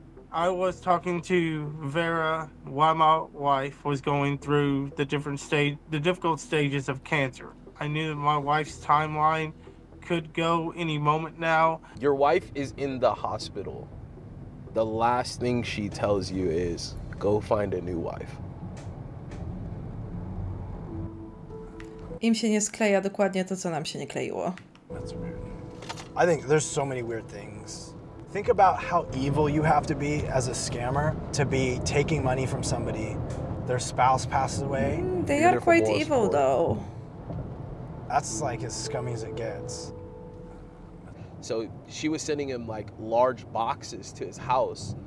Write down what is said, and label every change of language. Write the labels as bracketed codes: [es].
[en] I was talking to Vera while my wife was going through the difficult stages of cancer. I knew that my wife's timeline could go any moment now. Your wife is in the hospital. The last thing she tells you is, go find a new wife. [pl] Im się nie skleja dokładnie to, co nam się nie kleiło. [en] That's weird. I think there's so many weird things. Think about how evil you have to be as a scammer to be taking money from somebody, their spouse passes away. They are quite evil though. That's like as scummy as it gets. So she was sending him like large boxes to his house.